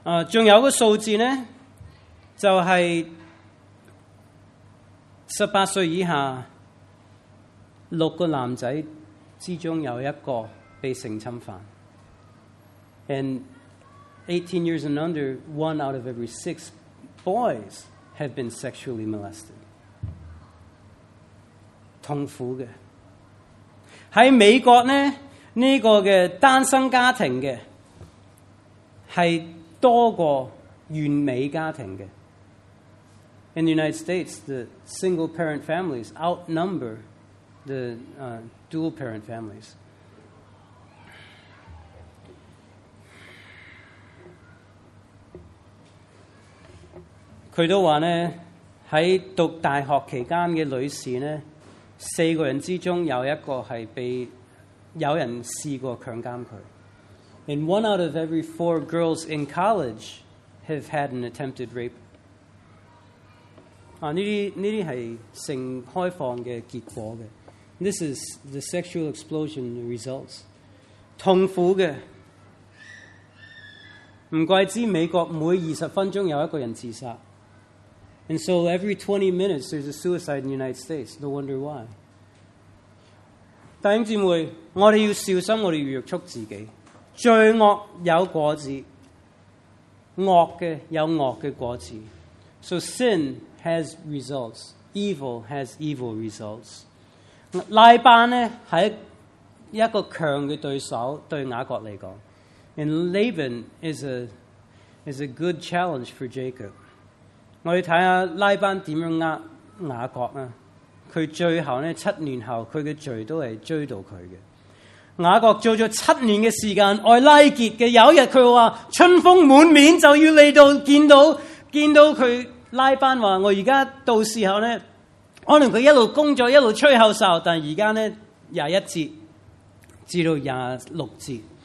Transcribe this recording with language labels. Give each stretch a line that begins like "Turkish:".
Chinese: 仲有个数字呢，就是18岁以下六个男仔之中有一个被性侵犯。
English: And 18 years and under, one out of every six boys have been sexually molested.
Chinese: 痛苦的。在美国呢，这个的单身家庭的是多过完美家庭的。
English: In the United States, the single parent families outnumber the dual parent families.
Chinese: 他都说呢，在读大学期间的女士呢，四个人之中有一个是被有人试过强奸她。
English: And one out of every four girls in college have had an attempted rape.
Chinese: 这些是性开放的结果的。
English: This is the sexual explosion results.
Chinese: 痛苦的。不怪之美国每20分钟有一个人自杀。
English: And so every 20 minutes, there's a suicide in the United States. No wonder why.
Chinese: 弟兄姊妹，我们要小心，我们要约束自己。罪恶有果子，恶的有恶的果子。
English: So sin has results. Evil has evil results.
Chinese: 拉班呢，是一个强的对手，对雅各来说。
English: And Laban is a good challenge for Jacob.
Chinese: 我们看看拉班怎样呃雅各呢，他最后呢七年后他的罪都是追到他的。雅各做了七年的时间爱拉结的，有一天他说春风满面就要来到，见到他拉班说我现在到时候呢，可能他一路工作一路吹口哨，但现在呢21节至到26节。